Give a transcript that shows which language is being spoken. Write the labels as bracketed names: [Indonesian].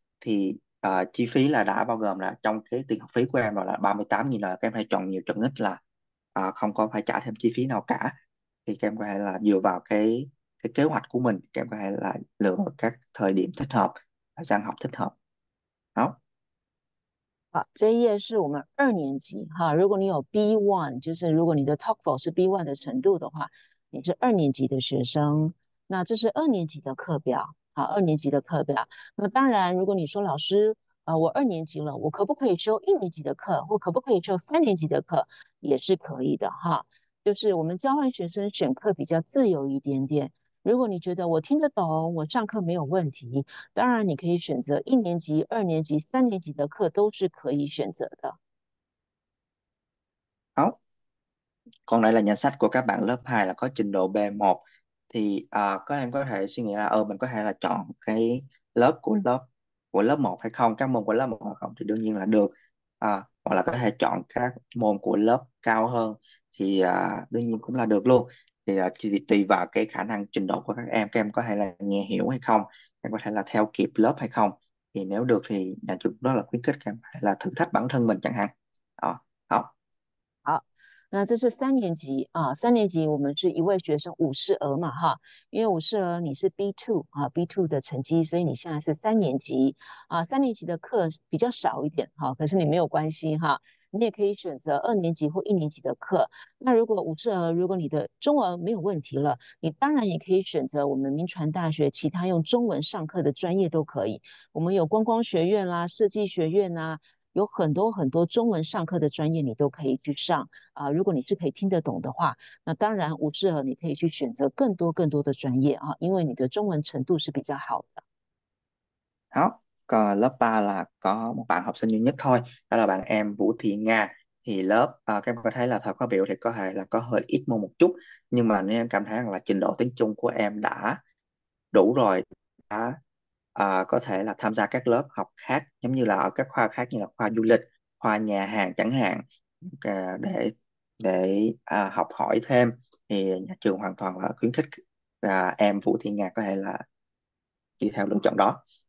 [Vietnamese] Thì chi phí là đã bao gồm là trong cái tiền học phí của em rồi, là 38.000, là các em phải chọn nhiều chọn ít, là không có phải trả thêm chi phí nào cả. Thì các em phải là dựa vào cái kế hoạch của mình, các em phải là lựa các thời điểm thích hợp, thời gian học thích hợp đó. [Chinese] 好，这一页是我们二年级哈。如果你有 B1，就是如果你的 TOEFL 是 B1 的程度的话，你是二年级的学生。那这是二年级的课表，好，二年级的课表。那当然，如果你说老师，我二年级了，我可不可以修一年级的课，或可不可以修三年级的课，也是可以的哈。就是我们交换学生选课比较自由一点点。如果你觉得我听得懂，我上课没有问题，当然你可以选择一年级、二年级、三年级的课都是可以选择的。 [Vietnamese] Còn đây là danh sách của các bạn lớp 2 là có trình độ B1. Thì các em có thể suy nghĩ là mình có thể là chọn cái lớp của lớp 1 hay không, các môn của lớp 1 hay không, thì đương nhiên là được. Hoặc là có thể chọn các môn của lớp cao hơn thì đương nhiên cũng là được luôn. Thì chỉ tùy vào cái khả năng trình độ của các em có thể là nghe hiểu hay không, em có thể là theo kịp lớp hay không. Thì nếu được thì nhà trường đó là khuyến khích các em là thử thách bản thân mình chẳng hạn. [Chinese] 那这是三年级啊，三年级我们是一位学生五十额嘛哈，因为五十额你是 B2 啊，B2 的成绩，所以你现在是三年级啊，三年级的课比较少一点哈，可是你没有关系哈，你也可以选择二年级或一年级的课。那如果五十额，如果你的中文没有问题了，你当然也可以选择我们明传大学其他用中文上课的专业都可以，我们有观光学院啦，设计学院啦。有很多很多中文上课的专业，你都可以去上啊。如果你是可以听得懂的话，那当然五志和你可以去选择更多更多的专业啊，因为你的中文程度是比较好的。 [Vietnamese] Đó. Còn lớp 3 là có một bạn học sinh duy nhất thôi, đó là bạn em Vũ Thị Nga. Thì lớp các em có thấy là thời khóa biểu thì có thể là có hơi ít môn một chút, nhưng mà nếu em cảm thấy rằng là trình độ tiếng Trung của em đã đủ rồi, đã có thể là tham gia các lớp học khác, giống như là ở các khoa khác như là khoa du lịch, khoa nhà hàng chẳng hạn, để học hỏi thêm, thì nhà trường hoàn toàn là khuyến khích em Vũ Thị Nga có thể là đi theo lựa chọn đó.